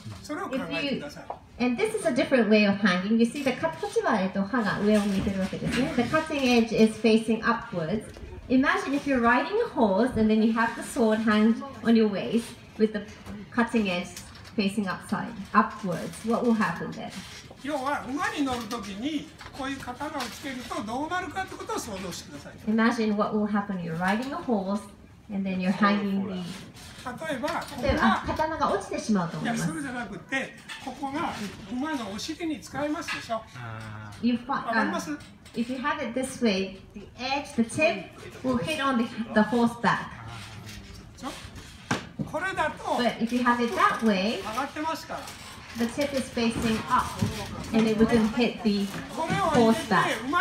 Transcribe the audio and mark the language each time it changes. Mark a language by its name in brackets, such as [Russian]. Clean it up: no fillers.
[English] And this is a different way of hanging. You see, the cutting edge is facing upwards. Imagine if you're riding a horse and then you have the sword hanged on your waist with the cutting edge facing upside, upwards. What will happen then? [Japanese] 要は馬に乗るときにこういう刀をつけるとどうなるかってことを想像してください。 [English] Imagine what will happen. You're riding a horse and then you're hanging the... [Japanese] 例えば、ここが刀が落ちてしまうと思います。いや、それじゃなくて、ここが馬のお尻に使えますでしょ。 [English] You find, if you have it this way, the edge, the tip, will hit on the horse back. But if you have it that way, the tip is facing up, and it wouldn't hit the horse back.